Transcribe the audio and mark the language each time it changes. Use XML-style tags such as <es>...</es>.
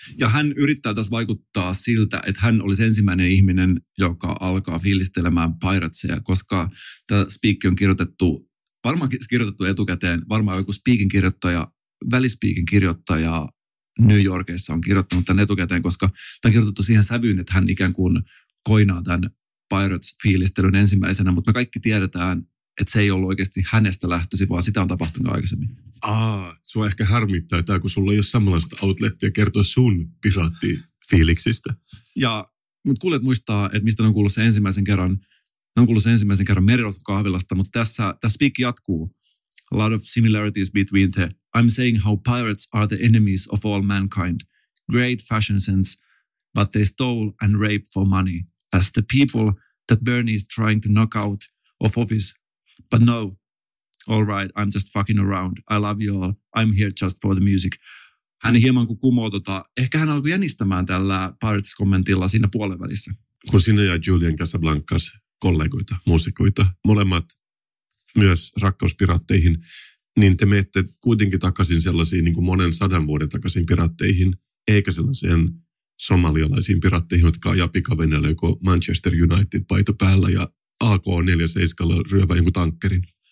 <fi>Ja hän yrittää tässä vaikuttaa siltä, että hän olisi ensimmäinen ihminen, joka alkaa fiilistelemään piratesia, koska tämä speak on kirjoitettu, varmaankin kirjoitettu etukäteen, varmaan joku speakin kirjoittaja, välispeakin kirjoittaja New Yorkissa on kirjoittanut tämän etukäteen, koska tämä on kirjoitettu siihen sävyyn, että hän ikään kuin koinaa tämän Pirates-fiilistelyn ensimmäisenä, mutta me kaikki tiedetään, että se ei ollut oikeasti hänestä lähtösi, vaan sitä on tapahtunut aikaisemmin. Aa, sua ehkä harmittaa tämä, kun sulla ei ole samanlaista outlettia kertoa sun piraattifiiliksistä. Ja, mutta kuulet muistaa, että mistä ne on kuullut sen ensimmäisen kerran. Ne on kuullut sen ensimmäisen kerran merirosvokahvilasta, mutta tässä speak jatkuu.</fi> <en>A lot of similarities between the I'm saying how pirates are the enemies of all mankind. Great fashion sense, but they stole and raped for money. As the people that Bernie is trying to knock out of office. But no, all right, I'm just fucking around. I love you all. I'm here just for the music.</en> <fi>Hän hieman kuin kumoo, ehkä hän alkoi jänistämään tällä Pirates-kommentilla siinä puolen välissä. Kun sinä ja Julian Casablancas kollegoita, muusikoita, molemmat myös rakkauspiraatteihin, niin te menette kuitenkin takaisin sellaisiin niin kuin monen sadan vuoden takaisin piraatteihin, eikä sellaiseen somalialaisiin piratteihin, jotka ajaa pikaveneellä joko Manchester United-paita päällä ja AK-47 ryövää jonkun tankkerin.</fi>